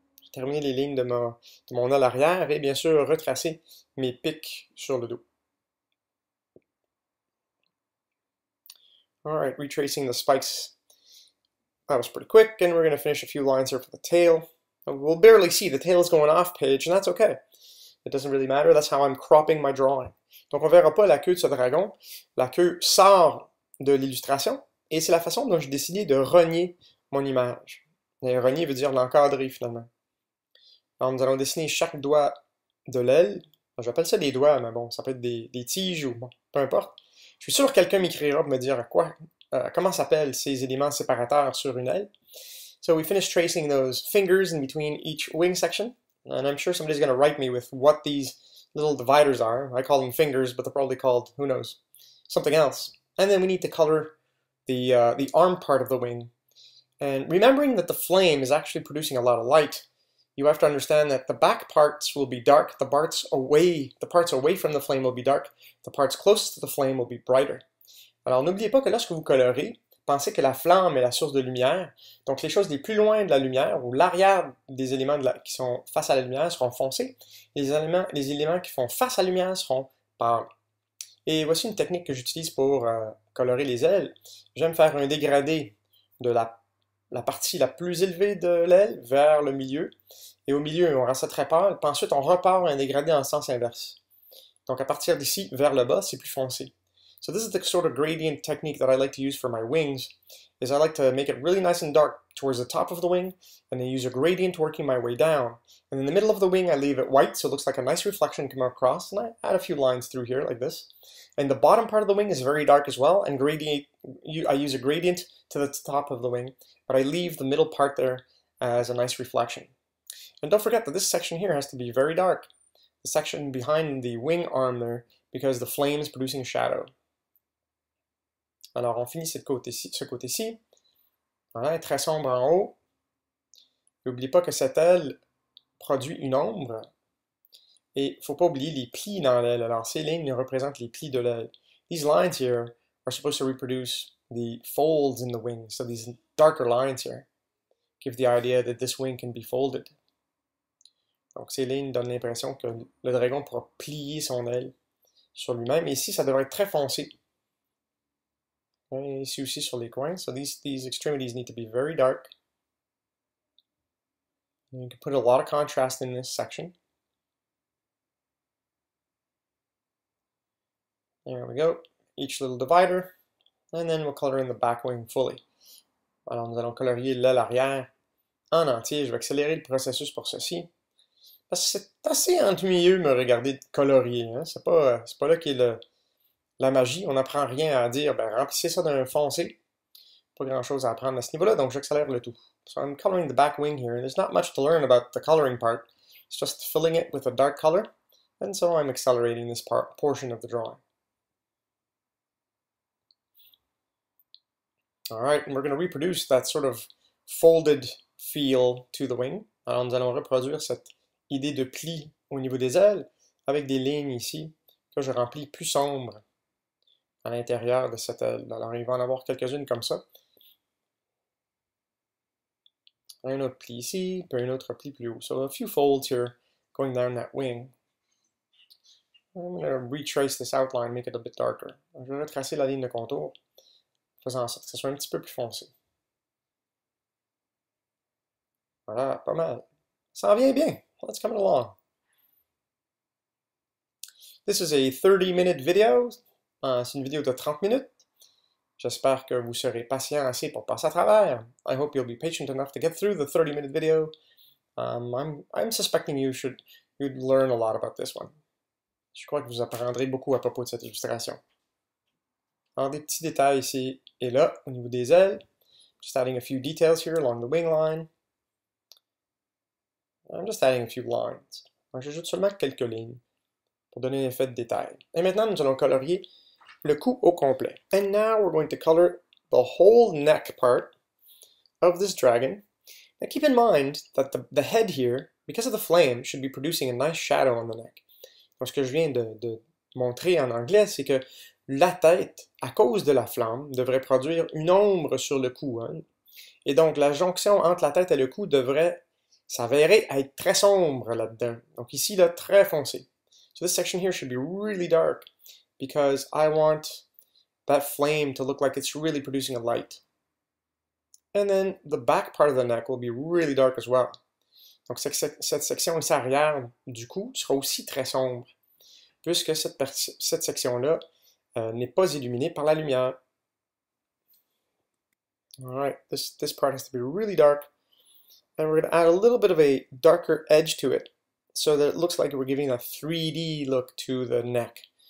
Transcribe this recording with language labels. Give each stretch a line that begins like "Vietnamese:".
French: J'ai terminé les lignes de mon aile arrière et bien sûr retracer mes pics sur le dos.
English: Alright, retracing the spikes. That was pretty quick, and we're going to finish a few lines here for the tail. We'll barely see, the tail is going off page, and that's okay. It doesn't really matter, that's how I'm cropping my drawing.
French: Donc on verra pas la queue de ce dragon. La queue sort de l'illustration, et c'est la façon dont j'ai décidé de renier mon image. Et renier veut dire l'encadrer, finalement. Alors nous allons dessiner chaque doigt de l'aile. J'appelle ça des doigts, mais bon, ça peut être des tiges, ou bon, peu importe. Je suis sûr que quelqu'un m'écrira pour me dire comment s'appellent ces éléments séparateurs sur une aile.
English: So we finished tracing those fingers in between each wing section. And I'm sure somebody's going to write me with what these little dividers are. I call them fingers, but they're probably called, who knows, something else. And then we need to color the arm part of the wing. And remembering that the flame is actually producing a lot of light, you have to understand that the back parts will be dark, the parts away from the flame will be dark, the parts closest to the flame will be brighter.
French: Alors n'oubliez pas que lorsque vous colorez, pensez que la flamme est la source de lumière, donc les choses les plus loin de la lumière, ou l'arrière des éléments qui sont face à la lumière seront foncés, les éléments qui font face à la lumière seront pâles. Et voici une technique que j'utilise pour colorer les ailes. J'aime faire un dégradé de la partie la plus élevée de l'aile vers le milieu. Et au milieu, on rend ça très pâle. Puis ensuite, on repart un dégradé en sens inverse. Donc, à partir d'ici, vers le bas, c'est plus foncé.
English: So, this is the sort of gradient technique that I like to use for my wings, is I like to make it really nice and dark towards the top of the wing, and then use a gradient working my way down. And in the middle of the wing, I leave it white, so it looks like a nice reflection coming across, and I add a few lines through here, like this. And the bottom part of the wing is very dark as well, and I use a gradient to the top of the wing, but I leave the middle part there as a nice reflection. And don't forget that this section here has to be very dark, the section behind the wing arm there, because the flame is producing shadow.
French: Alors, on finit ce côté-ci. Voilà, très sombre en haut. N'oublie pas que cette aile produit une ombre. Et il ne faut pas oublier les plis dans l'aile. Alors, ces lignes représentent les plis de l'aile.
English: These lines here are supposed to reproduce the folds in the wing. So, these darker lines here give the idea that this wing can be folded.
French: Donc, ces lignes donnent l'impression que le dragon pourra plier son aile sur lui-même. Et ici, ça devrait être très foncé. Et ici aussi sur les coins.
English: So these extremities need to be very dark. You can put a lot of contrast in this section. There we go. Each little divider. And then we'll color in the back wing fully.
French: Alors nous allons colorier l'aile arrière en entier. Je vais accélérer le processus pour ceci. Parce que c'est assez ennuyeux de me regarder colorier. Hein? C'est pas là qu'est le... La magie, on n'apprend rien à dire, ben remplissez ça d'un foncé. Pas grand chose à apprendre à ce niveau-là, donc j'accélère le tout.
English: So I'm coloring the back wing here. There's not much to learn about the coloring part. It's just filling it with a dark color. And so I'm accelerating this portion of the drawing. All right, and we're going to reproduce that sort of folded feel to the wing.
French: Alors nous allons reproduire cette idée de pli au niveau des ailes avec des lignes ici que je remplis plus sombres. À l'intérieur de cette aile. Alors, il va en avoir quelques-unes comme ça. Un autre pli ici, puis un autre pli plus haut.
English: So, a few folds here going down that wing. I'm going to retrace this outline, make it a bit darker.
French: Je vais retracer la ligne de contour, faisant en sorte que ce soit un petit peu plus foncé. Voilà, pas mal. Ça en vient bien.
English: Let's come along. This is a 30-minute video.
French: C'est une vidéo de 30 minutes. J'espère que vous serez patient assez pour passer à travers.
English: I hope you'll be patient enough to get through the 30-minute video. I'm suspecting you'd learn a lot about this one.
French: Je crois que vous apprendrez beaucoup à propos de cette illustration. Alors, des petits détails ici et là, au niveau des ailes.
English: Just adding a few details here along the wing line. I'm just adding a few lines.
French: J'ajoute seulement quelques lignes pour donner un effet de détail. Et maintenant, nous allons colorier le cou au complet.
English: And now we're going to color the whole neck part of this dragon. Now keep in mind that the head here, because of the flame, should be producing a nice shadow on the neck.
French: Donc ce que je viens de montrer en anglais, c'est que la tête, à cause de la flamme, devrait produire une ombre sur le cou. Hein? Et donc la jonction entre la tête et le cou devrait s'avérer être très sombre là-dedans. Donc ici, là, très foncé.
English: So this section here should be really dark. Because I want that flame to look like it's really producing a light. And then the back part of the neck will be really dark as well.
French: Donc cette section ici arrière du cou sera aussi très sombre, puisque cette section-là n'est pas illuminée par la lumière.
English: All right, this part has to be really dark. And we're going to add a little bit of a darker edge to it, so that it looks like we're giving a 3D look to the neck.